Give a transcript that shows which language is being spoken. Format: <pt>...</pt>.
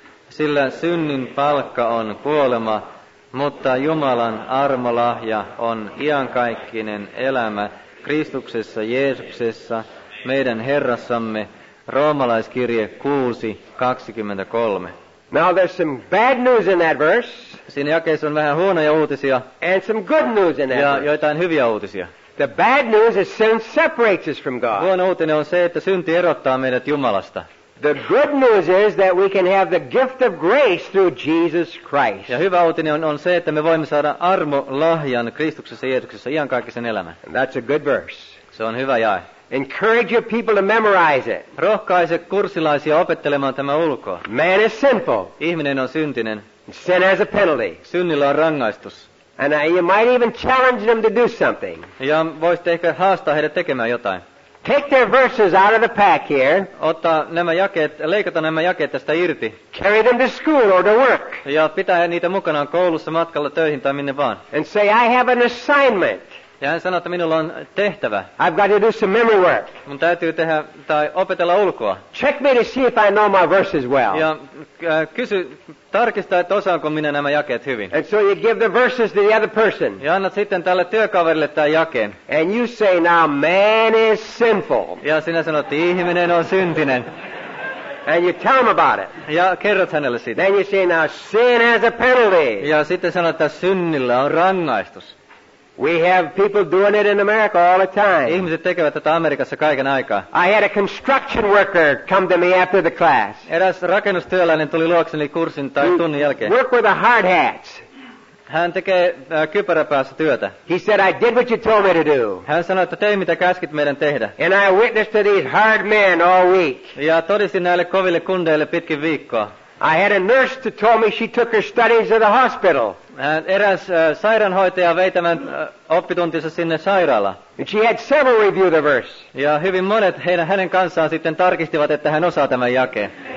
<fi>sillä synnin palkka on kuolema, mutta Jumalan armolahja on iankaikkinen elämä Kristuksessa Jeesuksessa, meidän Herrassamme, Roomalaiskirje 6:23.</fi> <en>Now there's some bad news in that verse.</en> <fi>Siinä jakeessa on vähän huonoja uutisia.</fi> <en>And some good news in that.</en> <fi>Ja joitain hyviä uutisia.</fi> <en>The bad news is sin separates us from God.</en> <fi>Huono uutinen on se, että synti erottaa meidät Jumalasta.</fi> <en>The good news is that we can have the gift of grace through Jesus Christ.</en> <fi>Ja hyvä uutinen on se, että me voimme saada armolahjan Kristuksessa Jeesuksessa iankaikkisen elämän.</fi> <en>That's a good verse.</en> <fi>Se on hyvä jae.</fi> <en>Encourage your people to memorize it.</en> <fi>Rohkaise kurssilaisia opettelemaan tämä ulkoa.</fi> <en>Man is sinful.</en> <fi>Ihminen on syntinen.</fi> <en>Sin has a penalty.</en> <fi>Synnillä on rangaistus.</fi> <en>And you might even challenge them to do something.</en> <fi>Ja voisitte ehkä haastaa heidät tekemään jotain.</fi> <en>Take their verses out of the pack here.</en> <fi>Ota nämä jakeet, leikata nämä jakeet tästä irti.</fi> <en>Carry them to school or to work.</en> <fi>Ja pitää niitä mukanaan koulussa, matkalla, töihin tai minne vaan.</fi> <en>And say, I have an assignment.</en> <fi>Ja hän sanoo, että minulla on tehtävä.</fi> <en>I've got to do some memory work.</en> <fi>Mun täytyy tehdä tai opetella ulkoa.</fi> <en>Check me to see if I know my verses well.</en> <fi>Ja kysy, tarkista, että osaanko minä nämä jakeet hyvin.</fi> <en>And so you give the verses to the other person.</en> <fi>Ja annat sitten tälle työkaverille tämän jakeen.</fi> <en>And you say, now man is sinful.</en> <fi>Ja sinä sanot, että ihminen on syntinen.</fi> <en>And you tell him about it.</en> <fi>Ja kerrot hänelle siitä.</fi> <en>Then you say, now sin has a penalty.</en> <fi>Ja sitten sanot, että synnillä on rangaistus.</fi> <en>We have people doing it in America all the time.</en> <fi>Ihmiset tekevät tätä Amerikassa kaiken aikaa.</fi> <en>I had a construction worker come to me after the class.</en> <fi>Eräs rakennustyöläinen tuli luokseni kurssin tai tunnin jälkeen.</fi> <en>Work with the hard hats.</en> <fi>Hän tekee kypäräpäässä työtä.</fi> <en>He said, I did what you told me to do.</en> <fi>Hän sanoi, että tein mitä käskit meidän tehdä.</fi> <en>And I witnessed to these hard men all week.</en> <fi>Ja todistin näille koville kundeille pitkin viikkoa.</fi> <en>I had a nurse to tell me she took her studies to the hospital.</en> <fi>Eräs sairaanhoitaja vei tämän oppituntinsa sinne sairaalaan.</fi> <en>And she had several review the verse.</en> <fi>Ja hyvin monet hänen kanssaan sitten tarkistivat, että hän osaa tämän jakeen.</fi>